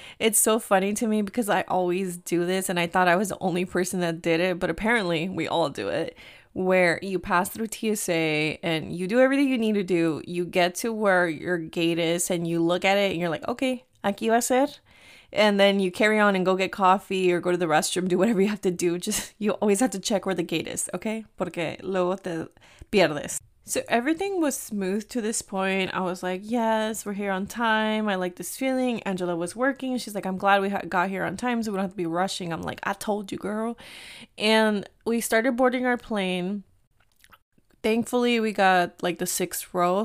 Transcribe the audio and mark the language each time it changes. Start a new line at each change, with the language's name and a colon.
English: It's so funny to me because I always do this, and I thought I was the only person that did it, but apparently we all do it, where you pass through TSA and you do everything you need to do. You get to where your gate is and you look at it and you're like, okay,
Spanish: aquí va a ser.
English: And then you carry on and go get coffee or go to the restroom, do whatever you have to do. Just, you always have to check where the gate is, okay?
Spanish: Porque luego te pierdes.
English: So everything was smooth to this point. I was like, yes, we're here on time. I like this feeling. Angela was working. She's like, I'm glad we got here on time so we don't have to be rushing. I'm like, I told you, girl. And we started boarding our plane. Thankfully, we got like the 6th row.